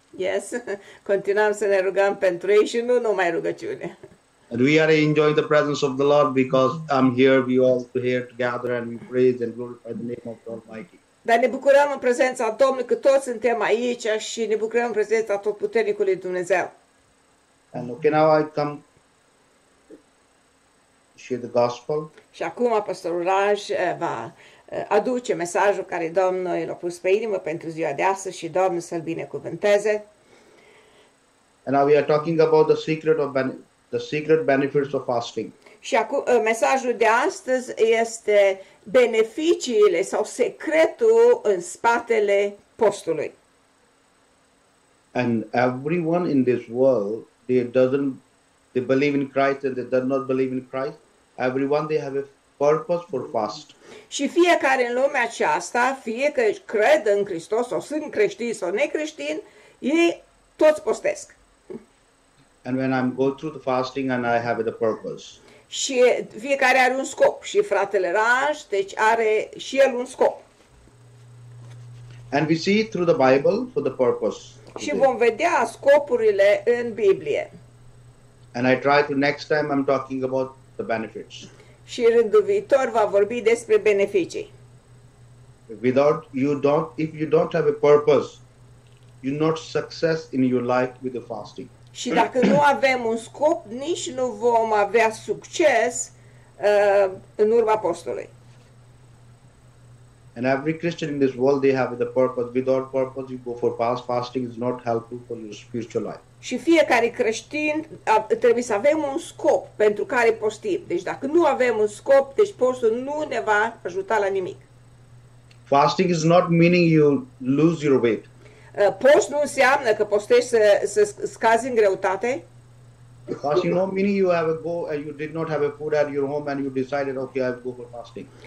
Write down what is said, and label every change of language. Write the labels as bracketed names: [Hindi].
[English] Yes, [Romanian] continuăm să ne rugăm pentru ei și nu numai rugăciune. [English] And we are enjoying the presence of the Lord because I'm here, we all are here to gather and we praise and glorify the name of the Almighty. [Romanian] Dar ne bucurăm în prezența Domnului că toți suntem aici și ne bucurăm în prezența Totputernicului Dumnezeu. [English] And okay, now I come to share the gospel. [Romanian] Și acum pastorul Raj va aduce mesajul care Domnul l-a pus pe inimă pentru ziua de astăzi și Domnul să-l binecuvânteze. [English] And now we are talking about the secret of the secret benefits of fasting. [Romanian] Și acum mesajul de astăzi este beneficiile sau secretul în spatele postului. [English] And everyone in this world, they believe in Christ and they do not believe in Christ. Everyone, they have a purpose for fast. [Romanian] Și fiecare în lumea aceasta, fie că cred în Hristos sau sunt creștini sau necreștini, ei toți postesc. [English] And when I'm go through the fasting and I have the purpose. [Romanian] Și fiecare are un scop. Și fratele Raj, deci are și el un scop. [English] And we see it through the Bible for the purpose. [Romanian] Și vom vedea scopurile în Biblie. [English] And I try to next time I'm talking about the benefits. [Romanian] Și rândul viitor va vorbi despre beneficii. [English] If you don't have a purpose, you're not success in your life with the fasting. [Romanian] Și dacă nu avem un scop, nici nu vom avea succes în urma postului. [English] And every Christian in this world, they have the purpose. Without purpose, you go for fast. Fasting is not helpful for your spiritual life. [Romanian] Și fiecare creștin trebuie să avem un scop pentru care postim. Deci dacă nu avem un scop, deci postul nu ne va ajuta la nimic. [English] Fasting is not meaning you lose your weight. [Romanian] Post nu înseamnă că postești să scazi în greutate. [English] Fasting no meaning you have a go and you did not have a food at your home and you decided okay I go for fasting.